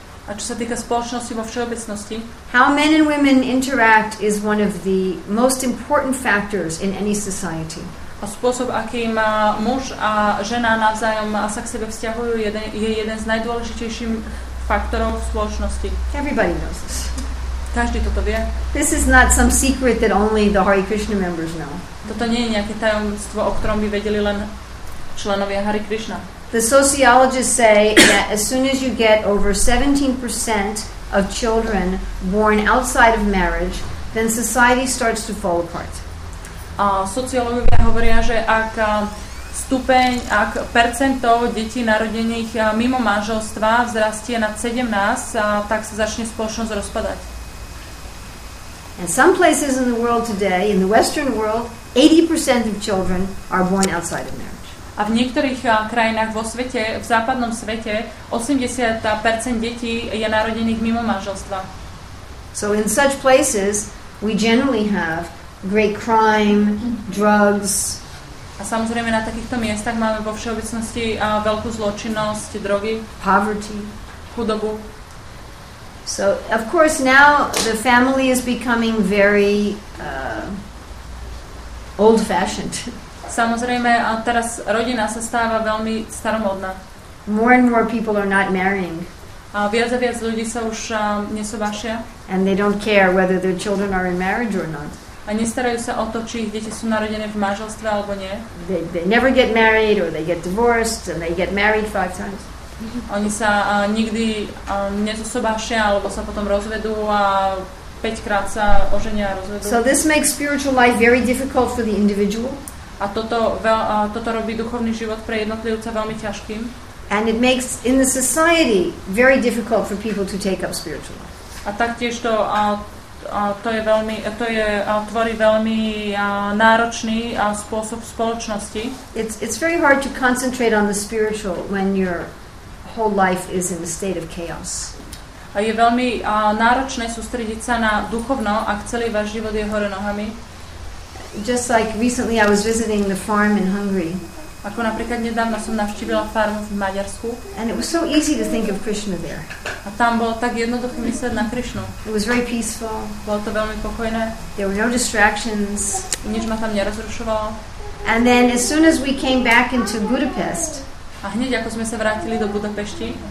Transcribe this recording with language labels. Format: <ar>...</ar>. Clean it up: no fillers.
<sk>a čo sa týka spoločnosti vo všeobecnosti,</sk> <en>how men and women interact is one of the most important factors in any society.</en> <sk>A spôsob, akým muž a žena navzájom sa k sebe vzťahujú, je jeden z najdôležitejších faktorov v spoločnosti.</sk> <en>Everybody knows this.</en> <sk>Každý toto vie.</sk> <en>This is not some secret that only the Hare Krishna members know.</en> <sk>Toto nie je nejaké tajomstvo, o ktorom by vedeli len členovia Hare Krishna.</sk> <en>The sociologists say that as soon as you get over 17% of children born outside of marriage, then society starts to fall apart.</en> <sk>Sociológovia hovoria, že ak percento detí narodených mimo manželstva vzrastie nad 17, tak sa začne spoločnosť rozpadať.</sk> <en>In some places in the world today, in the Western world, 80% of children are born outside of marriage.</en> <sk>A v niektorých krajinách vo svete, v západnom svete, 80% detí je narodených mimo manželstva.</sk> <en>So in such places we generally have great crime, drugs.</en> <sk>A samozrejme na takýchto miestach máme vo všeobecnosti veľkú zločinnosť, drogy,</sk> <en>poverty,</en> <sk>chudobu.</sk> <en>So of course now the family is becoming very old fashioned.</en> <sk>Samozrejme, a teraz rodina sa stáva veľmi staromodná.</sk> <en>More and more people are not marrying.</en> <sk>A viac ľudí sa už nesobášia.</sk> <en>And they don't care whether their children are in marriage or not.</en> <sk>A nestarajú sa o to, či ich deti sú narodené v manželstve alebo nie.</sk> <en>They never get married or they get divorced and they get married 5 times.</en> <sk>Oni sa nikdy nezosobášia alebo sa potom rozvedú a Päťkrát sa oženia a rozvedú.</sk> <en>So this makes spiritual life very difficult for the individual.</en> <sk>A toto, toto robí duchovný život pre jednotlivca veľmi ťažkým.</sk> <en>And it makes in the society very difficult for people to take up spiritual life.</en> <sk>A taktiež to tvorí veľmi náročný spôsob spoločnosti.</sk> <en>It's very hard to concentrate on the spiritual when your whole life is in a state of chaos.</en> <sk>A je veľmi náročné sústrediť sa na duchovno, ak celý váš život je hore nohami.</sk> <en>Just like recently I was visiting the farm in Hungary.</en> <sk>Ako napríklad nedávno som navštívila farmu v Maďarsku.</sk> <en>And it was so easy to think of Krishna there.</en> <sk>A tam bolo tak jednoducho myslieť na Krishnu.</sk> <en>It was very peaceful.</en> <sk>Bolo to veľmi pokojné.</sk> <en>There were no distractions.</en> <sk>Nič ma tam nerozrušovalo.</sk> <en>And then as soon as we came back into Budapest.</en> <sk>A hneď ako sme sa vrátili do Budapešti.</sk>